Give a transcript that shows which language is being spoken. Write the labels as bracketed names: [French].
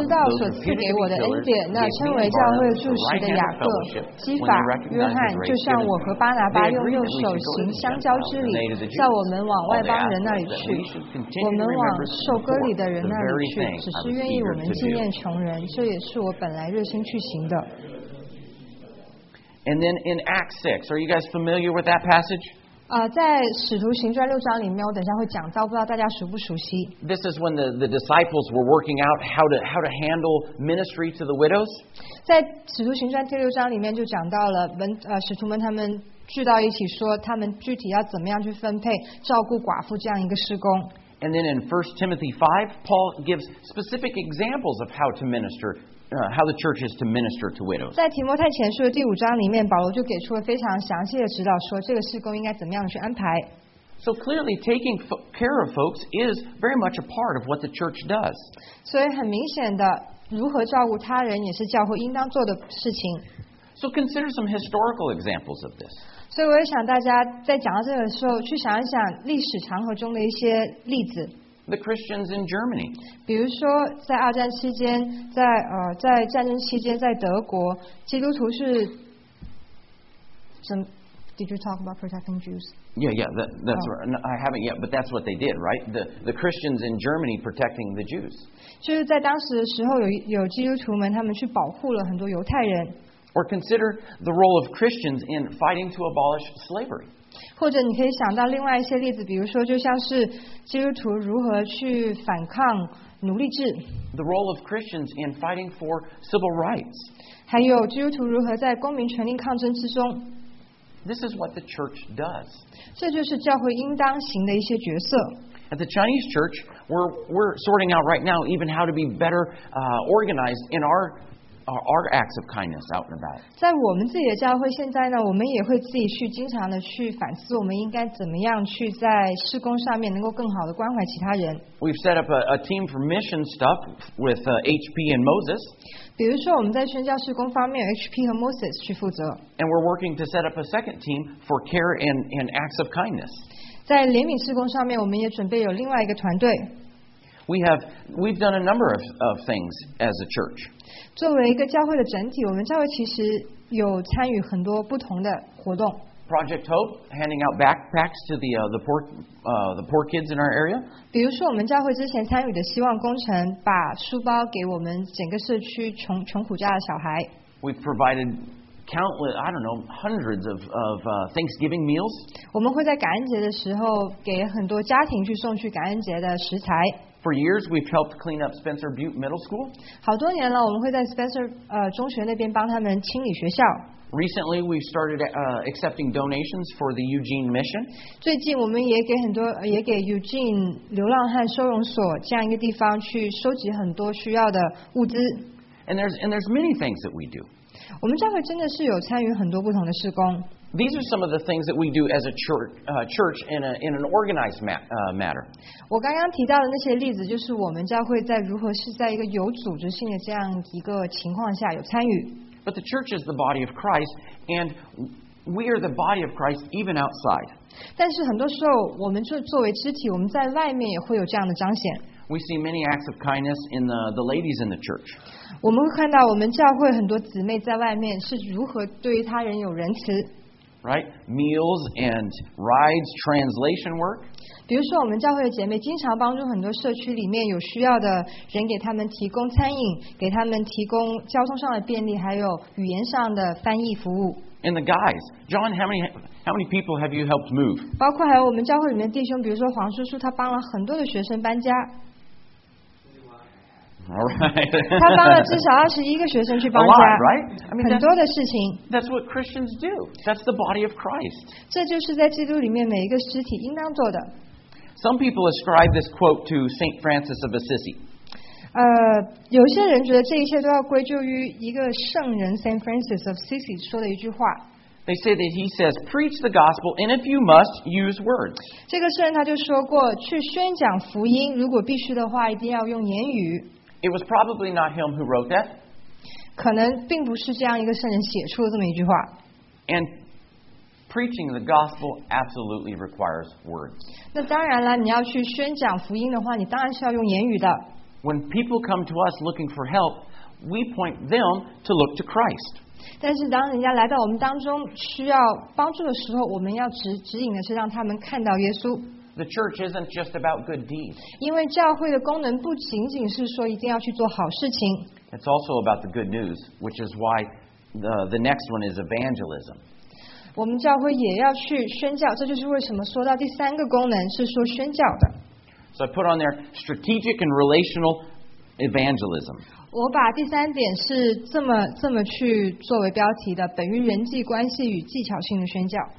[Chinese] 知道所赐给我的恩典，那称为教会柱石的雅各、基法、约翰，就像我和巴拿巴用右手行相交之礼，叫我们往外邦人那里去，我们往受割礼的人那里去，只是愿意我们纪念穷人，这也是我本来热心去行的。 [English] And then in Acts 6, are you guys familiar with that passage? [Chinese] 在使徒行传六章里面，我等一下会讲到，不知道大家熟不熟悉。 [English] This is when the disciples were working out how to handle ministry to the widows. [Chinese] 在使徒行传第六章里面就讲到了使徒们他们聚到一起说，他们具体要怎么样去分配照顾寡妇这样一个事工。 [English] And then in 1 Timothy 5, Paul gives specific examples of how to minister. How the church is to minister to widows. [Chinese] 在提摩太前书的第五章里面，保罗就给出了非常详细的指导，说这个事工应该怎么样去安排。 [English] So clearly, taking care of folks is very much a part of what the church does. [Chinese] 所以很明显的，如何照顾他人也是教会应当做的事情。 [English] So consider some historical examples of this. [Chinese] 所以我也想大家在讲到这个时候，去想一想历史长河中的一些例子。 [English] The Christians in Germany. [Chinese] 比如说，在二战期间，在战争期间，在德国，基督徒是。 [English] Did you talk about protecting Jews? Yeah, that's right. No, I haven't yet, but that's what they did, right? The Christians in Germany protecting the Jews. [Chinese] 就是在当时的时候有基督徒们，他们去保护了很多犹太人。 [English] Or consider the role of Christians in fighting to abolish slavery. [Chinese] 或者你可以想到另外一些例子，比如说就像是基督徒如何去反抗奴隶制。 [English] The role of Christians in fighting for civil rights. [Chinese] 还有基督徒如何在公民权利抗争之中。 [English] This is what the church does. [Chinese] 这就是教会应当行的一些角色。 [English] At the Chinese church, we're sorting out right now even how to be better organized in our acts of kindness out and about. [Chinese] 在我们自己的教会现在呢，我们也会自己去经常的去反思，我们应该怎么样去在事工上面能够更好的关怀其他人。 [English] We've set up a team for mission stuff with HP and Moses. [Chinese] 比如说我们在宣教事工方面 ，HP 和 Moses 去负责。 [English] And we're working to set up a second team for care and acts of kindness. [Chinese] 在怜悯事工上面，我们也准备有另外一个团队。 [English] We've done a number of things as a church. [Chinese] 作为一个教会的整体，我们教会其实有参与很多不同的活动。 [English] Project Hope, handing out backpacks to the poor kids in our area. [Chinese] 比如说我们教会之前参与的希望工程，把书包给我们整个社区穷苦家的小孩。 [English] We've provided countless, I don't know, hundreds of Thanksgiving meals. [Chinese] 我们会在感恩节的时候给很多家庭去送去感恩节的食材。 [English] For years, we've helped clean up Spencer Butte Middle School. [Chinese] 好多年了，我们会在 Spencer 中学那边帮他们清理学校。 [English] Recently, we started accepting donations for the Eugene Mission. [Chinese] 最近我们也给很多，也给 Eugene 流浪汉收容所这样一个地方去收集很多需要的物资。 [English] And there's many things that we do. [Chinese] 我们教会真的是有参与很多不同的事工。 [English] These are some of the things that we do as a church in an organized matter. [Chinese] 我刚刚提到的那些例子，就是我们教会在如何是在一个有组织性的这样一个情况下有参与。 [English] But the church is the body of Christ, and we are the body of Christ even outside. [Chinese] 但是很多时候，我们作为肢体，我们在外面也会有这样的彰显。 [English] We see many acts of kindness in the ladies in the church. [Chinese] 我们会看到我们教会很多姊妹在外面是如何对他人有仁慈。 [English] Right, meals and rides, translation work. [Chinese] 比如说，我们教会的姐妹经常帮助很多社区里面有需要的人，给他们提供餐饮，给他们提供交通上的便利，还有语言上的翻译服务。 [English] And the guys, John, how many people have you helped move? [Chinese] 包括还有我们教会里面弟兄，比如说黄叔叔，他帮了很多的学生搬家。 [English] All right. [Chinese] 他帮了至少21个学生去搬家。 [English] A lot, right? I mean, [Chinese] 很多的事情。 [English] That's what Christians do. That's the body of Christ. [Chinese] 这就是在基督里面每一个肢体应当做的。 [English] Some people ascribe this quote to Saint Francis of Assisi. [Chinese] 有些人觉得这一切都要归咎于一个圣人 Saint Francis of Assisi 说的一句话。 [English] They say that he says, "Preach the gospel, and if you must, use words." [Chinese] 这个圣人他就说过，去宣讲福音，如果必须的话，一定要用言语。 [English] It was probably not him who wrote that. [Chinese] 可能并不是这样一个圣人写出了这么一句话。 [English] And preaching the gospel absolutely requires words. [Chinese] 那当然了，你要去宣讲福音的话，你当然是要用言语的。 [English] When people come to us looking for help, we point them to look to Christ. [Chinese] 但是当人家来到我们当中需要帮助的时候，我们要指引的是让他们看到耶稣。 [English] The church isn't just about good deeds. [Chinese] 因为教会的功能不仅仅是说一定要去做好事情。 [English] It's also about the good news, which is why the next one is evangelism. [Chinese] 我们教会也要去宣教，这就是为什么说到第三个功能是说宣教的。 [English] So I put on there strategic and relational evangelism. [Chinese] 我把第三点是这么去作为标题的，本于人际关系与技巧性的宣教。